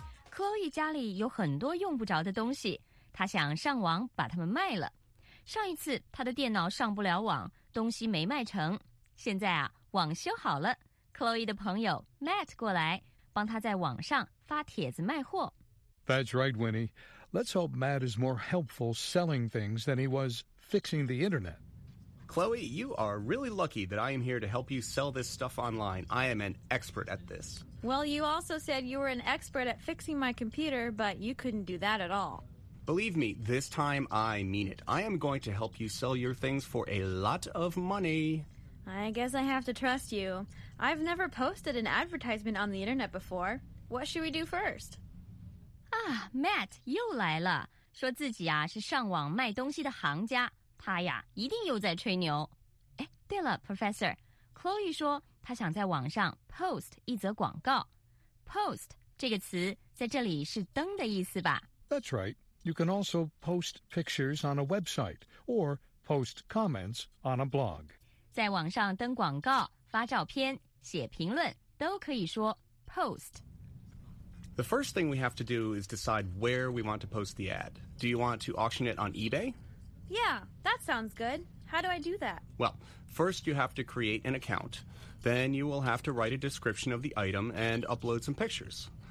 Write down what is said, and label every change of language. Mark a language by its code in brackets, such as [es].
[zh] 科伊家里有很多用不着的东西，他想上网把它们卖了。上一次他的电脑上不了网，东西没卖成，现在啊网修好了，Chloe 的朋友 Matt 过来帮他在网上发帖子卖货。 [en] That's right, Winnie. Let's hope Matt is more helpful selling things than he was fixing the internet. Chloe, you are really lucky that I am here to help you sell this stuff online. I am an expert at this. Well, you also said you were an expert at fixing my computer, but you couldn't do that at all. Believe me, this time I mean it. I am going to help you sell your things for a lot of money. I guess I have to trust you. I've never posted an advertisement on the internet before. What should we do first? [zh] Ah, Matt, 又来了，说自己啊是上网卖东西的行家，他呀一定又在吹牛。哎，对了 ,Professor, Chloe 说他想在网上 post 一则广告。 Post 这个词在这里是登的意思吧？ [en] That's right. You can also post pictures on a website or post comments on a blog. [zh] 在网上登广告、发照片、写评论都可以说 post. [en] The first thing we have to do is decide where we want to post the ad. Do you want to auction it on eBay? Yeah, that sounds good. How do I do that? Well, first you have to create an account. Then you will have to write a description of the item and upload some pictures.